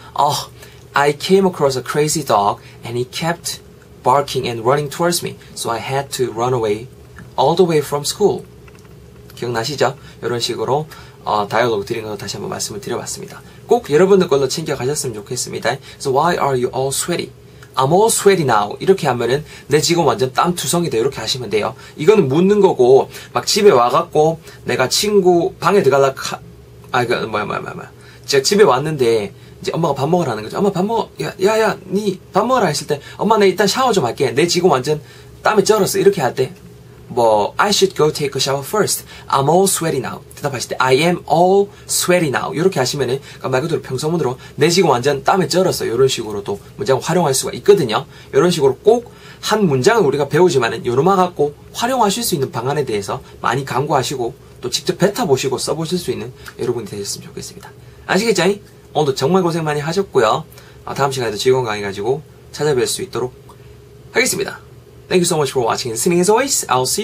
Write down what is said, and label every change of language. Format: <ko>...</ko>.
<en>Oh, I came across a crazy dog and he kept barking and running towards me. So I had to run away all the way from school.</en> <ko>기억나시죠? 이런 식으로 다이얼로그 드린 거 다시 한번 말씀을 드려봤습니다. 꼭 여러분들 걸로 챙겨가셨으면 좋겠습니다.</ko> <en>So why are you all sweaty? I'm all sweaty now.</en> <ko>이렇게 하면은 내 지금 완전 땀투성이다. 이렇게 하시면 돼요. 이거는 묻는 거고 막 집에 와갖고 내가 친구 방에 들어갈라 제가 집에 왔는데 이제 엄마가 밥 먹으라 하는 거죠. 엄마 밥 먹어. 야야 니 밥 먹으라 했을 때 엄마 내 일단 샤워 좀 할게. 내 지금 완전 땀에 쩔었어. 이렇게 할 때 뭐</ko> <en>I should go take a shower first. I'm all sweaty now.</en> <ko>대답하실 때</ko> <en>I am all sweaty now.</en> <ko>이렇게 하시면은 그러니까 말 그대로 평소문으로 내 지금 완전 땀에 쩔었어. 이런 식으로도 문장을 활용할 수가 있거든요. 이런 식으로 꼭 한 문장을 우리가 배우지만은 요놈아 갖고 활용하실 수 있는 방안에 대해서 많이 강구하시고 또 직접 뱉어보시고 써보실 수 있는 여러분이 되셨으면 좋겠습니다. 아시겠죠? 오늘도 정말 고생 많이 하셨고요. 다음 시간에도 즐거운 강의 가지고 찾아뵐 수 있도록 하겠습니다.</ko> <en>Thank you so much for watching and listening as always. I'll see you next time. In the meantime, take good care of yourself. You guys are awesome.</en>